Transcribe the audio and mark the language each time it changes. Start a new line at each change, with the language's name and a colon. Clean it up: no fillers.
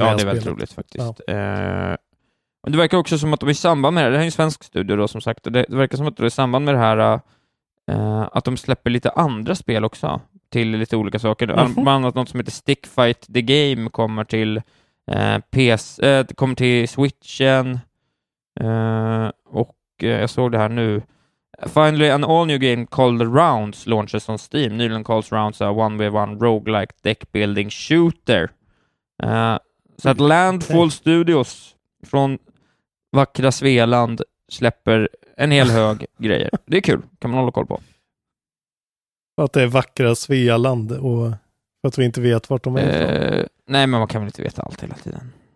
Swedish: ja, det är väldigt roligt faktiskt. Ja. Det verkar också som att de i samband med det här är en svensk studio då som sagt, och det verkar som att de i samband med det här att de släpper lite andra spel också till lite olika saker. Mm-hmm. Bland annat något som heter Stick Fight The Game kommer till PS, kommer till Switchen. Och jag såg det här nu.
English: Finally an all new game called Rounds launches on Steam.
Swedish: Nyligen
English: calls Rounds a 1v1 roguelike deck building shooter.
Swedish: Så att Landfall Studios från vackra Svealand släpper en hel hög grejer. Det är kul, kan man hålla koll på. Att det är vackra Svealand och att vi inte vet vart de är. Nej, men man kan väl inte veta allt hela tiden.